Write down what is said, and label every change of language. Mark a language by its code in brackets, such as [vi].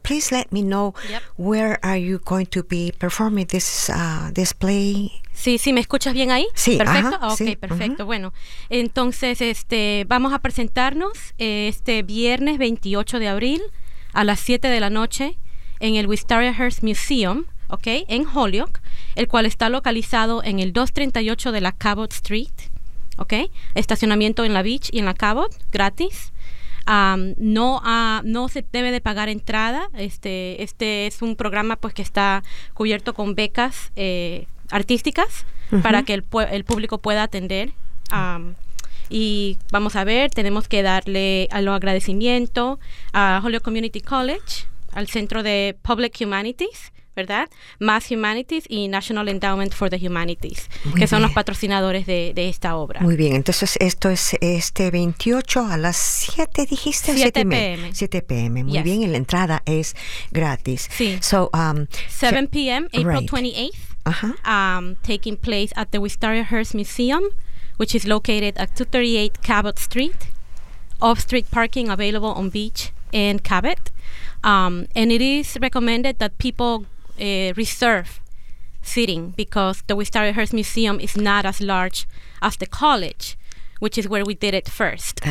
[en] Please let me know where are you going to be performing this this play. [es] Sí, sí, ¿me escuchas bien ahí? Sí. Perfecto. Ajá, okay, perfecto. Uh-huh. Bueno, entonces vamos a presentarnos este viernes 28 de abril a las 7 de la noche en el Wistaria Hearst Museum, okay, en Holyoke, el cual está localizado en el 238 de la Cabot Street, okay, estacionamiento en la Beach y en la Cabot, gratis. No se debe de pagar entrada. Este es un programa pues que está cubierto con becas artísticas, uh-huh, para que el público pueda atender. Y vamos a ver, tenemos que darle los agradecimientos a Holyoke Community College, al Centro de Public Humanities, ¿verdad? Mass Humanities y National Endowment for the Humanities, Muy bien. Los patrocinadores de esta obra. Muy bien, entonces esto es este 28 a las 7, dijiste, 7 p.m. 7 p.m., muy bien, y la entrada es gratis. Sí. [en] So, 7 p.m., April 28th, uh-huh, taking place at the Wistaria Hearst Museum, which is located at 238 Cabot Street, off-street parking available on Beach and Cabot. And it is recommended that people reserve seating because the Wistaria Hearst Museum is not as large as the college, which is where we did it first.